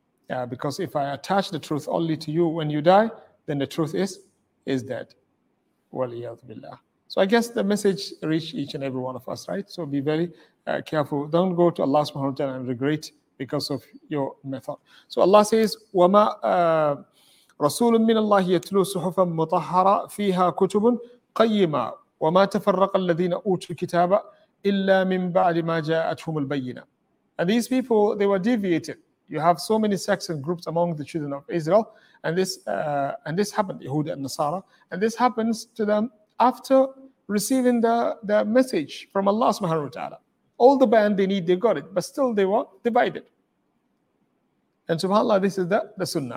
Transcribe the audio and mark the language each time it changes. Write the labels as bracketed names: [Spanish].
[English] Yeah, because if I attach the truth only to you when you die, then the truth is dead. Waliyadhu billah. So I guess the message reached each and every one of us, right? So be very careful. Don't go to Allah subhanahu wa ta'ala and regret because of your method. So Allah says, [Arabic] وَمَا رَسُولٌ مِّنَ اللَّهِ يَتْلُو صُحُفًا مُطَهَّرًا فِيهَا كُتُبٌ قَيِّمًا وَمَا تَفَرَّقَ الَّذِينَ أُوتُوا الْكِتَابَ إِلَّا مِن بَعْدِ مَا جَاءَتْهُمُ الْبَيِّنَةُ. [English] And these people, they were deviated. You have so many sects and groups among the children of Israel, and this happened, Yehud and Nasara, and this happens to them after receiving the message from Allah subhanahu wa ta'ala. All the band they need, they got it, but still they were divided. And subhanAllah, this is the sunnah.